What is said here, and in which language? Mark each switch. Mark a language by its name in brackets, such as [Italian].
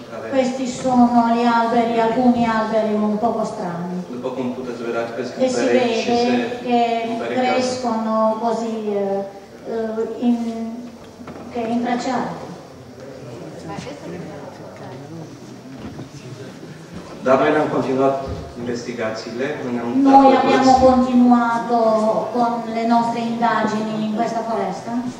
[Italian] Questi sono gli alberi, alcuni alberi un poco strani. E si vede che crescono così intracciati. [Romanian] Dar noi am continuat investigațiile, [Italian] noi abbiamo continuato con le nostre indagini in questa foresta.